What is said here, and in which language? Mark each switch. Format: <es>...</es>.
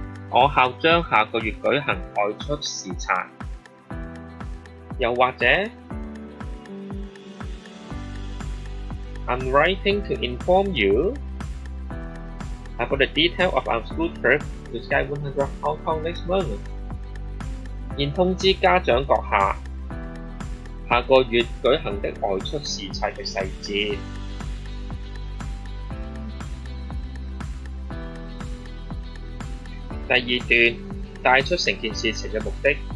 <zh>我校将下个月举行外出视察。又或者</zh> <en>I'm writing to inform youFor the detail of our school trip to Sky 100 Hong Kong next month.</en> <zh>现通知家长阁下下个月举行的外出视察的细节。第二段带出整件事情的目的。</zh>